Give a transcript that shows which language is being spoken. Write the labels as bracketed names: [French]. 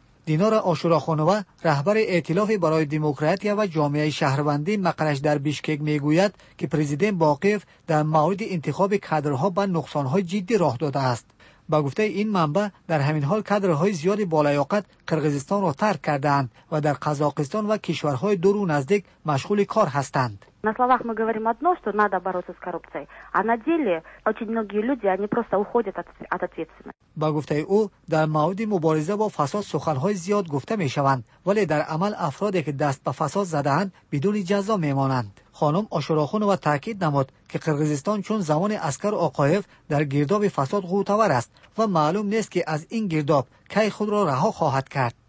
[Tajik] Динора Ошурохонова, раҳбари Эътилофи барои демократия ва ҷомеаи шаҳрвандӣ мақраш дар Бишкек мегӯяд, ки президент Боқиев дар мавриди интихоби кадрҳо ба нуқсонҳои ҷиддӣ роҳ додааст. Ба гуфтаи ин манба, дар ҳамин ҳол кадрҳои зиёди болаёқат Қирғизистонро тарк кардаанд ва дар Қазоқистон ва кишварҳои дуру наздик машғули кор ҳастанд. [Russian] На словах мы говорим одно, что надо бороться с коррупцией, а на деле очень многие люди, они просто уходят от ответственности. [Tajik] Ба гуфтаи ӯ, дар мавриди мубориза бо фасод суханҳои зиёд гуфта мешаванд, вале дар амал афроде ки даст ба фасод задаанд, бидуни ҷазо мемонанд. [Persian] خانم آشوراخونوا تاکید نمود که قرغیزستان چون زمان اسکر آقایف در گرداب فساد قوتور است و معلوم نیست که از این گرداب کی خود را رها خواهد کرد.